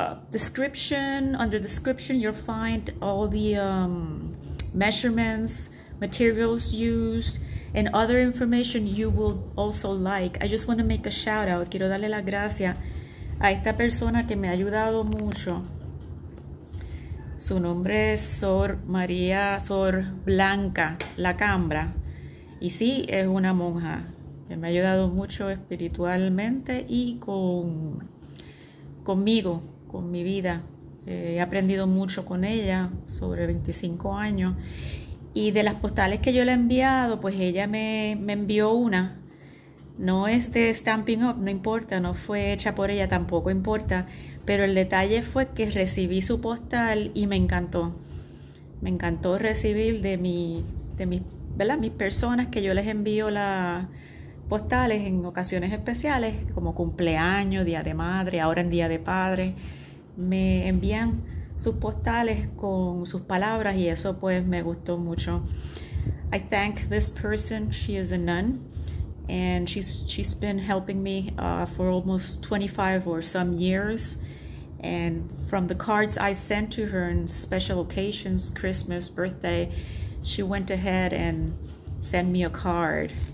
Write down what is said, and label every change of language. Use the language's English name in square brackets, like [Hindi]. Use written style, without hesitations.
[English] description. Under description, you'll find all the measurements, materials used, and other information you will also like. I just want to make a shout out. [Spanish] Quiero darle las gracias a esta persona que me ha ayudado mucho. Su nombre es Sor María, Sor Blanca La Cambra. Y sí, es una monja que me ha ayudado mucho espiritualmente y conmigo, con mi vida. He aprendido mucho con ella, sobre 25 años. Y de las postales que yo le he enviado, pues ella me envió una. No es de Stampin' Up, no importa, no fue hecha por ella, tampoco importa. Pero el detalle fue que recibí su postal y me encantó. Me encantó recibir ¿verdad? Mis personas que yo les envío las postales en ocasiones especiales, como cumpleaños, día de madre, ahora en día de padre, me envían sus postales con sus palabras y eso pues me gustó mucho. [English] I thank this person, she is a nun, and she's been helping me for almost 25 or some years. And from the cards I sent to her in special occasions, Christmas, birthday, she went ahead and sent me a card.